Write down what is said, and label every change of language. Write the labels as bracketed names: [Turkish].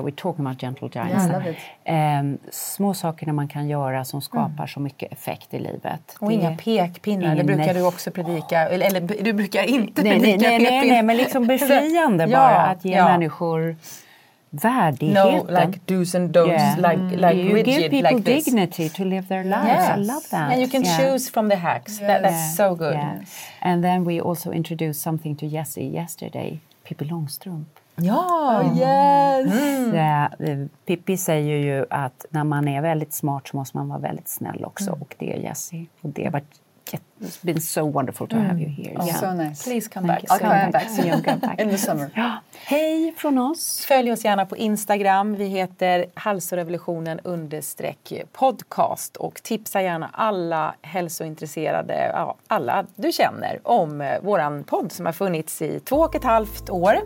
[English] We're talking about gentle giants. Yeah, [Swedish] små sakerna man kan göra som skapar så mycket effekt i livet. Och det inga pekpinnar, det brukar du också predika. Eller du brukar inte predika Nej, men liksom befriande bara att ge människor värdigheten. [English] No, like do's and don'ts, like you rigid like this. You give people dignity to live their lives. Yes. I love that. And you can choose from the hacks. Yes. That's so good. Yes. And then we also introduced something to Jesse yesterday. [Swedish] Pippi Långstrump. [English] Ja, yes! [Swedish] Pippi säger ju att när man är väldigt smart så måste man vara väldigt snäll också. Mm. Och det är Jesse. Och det var [English] it's been so wonderful to have you here. Oh, yeah. So nice. Please come back. I'll come back. So you'll come back. In the summer. [Swedish] Ja. Hej från oss. Följ oss gärna på Instagram. Vi heter hälsorevolutionen_podcast. Och tipsa gärna alla hälsointresserade, alla du känner, om våran podd som har funnits i 2,5 år.